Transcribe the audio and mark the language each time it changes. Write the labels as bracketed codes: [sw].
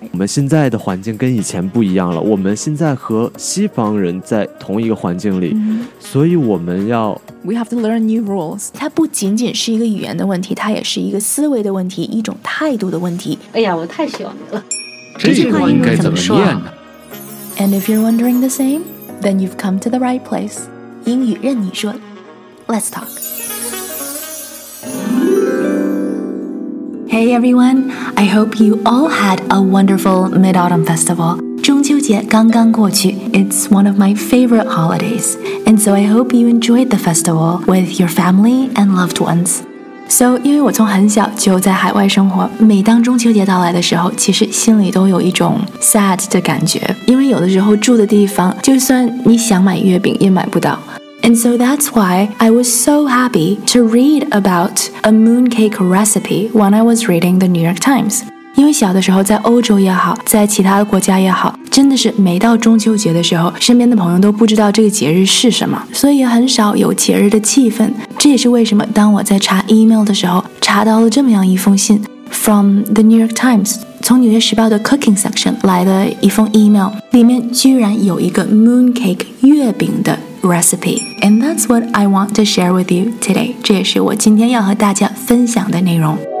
[zh] 我们现在的环境跟以前不一样了，我们现在和西方人在同一个环境里，所以我们要 [en] We have to learn new rules. [zh] 它不仅仅是一个语言的问题，它也是一个思维的问题，一种态度的问题。哎呀，我太喜欢你了。这句话应该怎么念呢？ [en] And if you're wondering the same, then you've come to the right place. [zh] 英语任你说。 [en] Let's talk. Hey everyone, I hope you all had a wonderful Mid-Autumn Festival. [zh] 中秋节刚刚过去 [en] It's one of my favorite holidays. And so I hope you enjoyed the festival with your family and loved ones. [zh] So, 因为我从很小就在海外生活，每当中秋节到来的时候，其实心里都有一种 sad 的感觉。因为有的时候住的地方，就算你想买月饼也买不到。 [en] And so that's why I was so happy to read about a mooncake recipe when I was reading the New York Times. [zh] 因为小的时候在欧洲也好在其他的国家也好真的是每到中秋节的时候身边的朋友都不知道这个节日是什么所以很少有节日的气氛这也是为什么当我在查 email 的时候查到了这么样一封信 [en] from the New York Times [zh] 从纽约时报的 cooking section 来的一封 email 里面居然有一个 mooncake 月饼的 recipe [en] and that's what I want to share with you today [zh] 这也是我今天要和大家分享的内容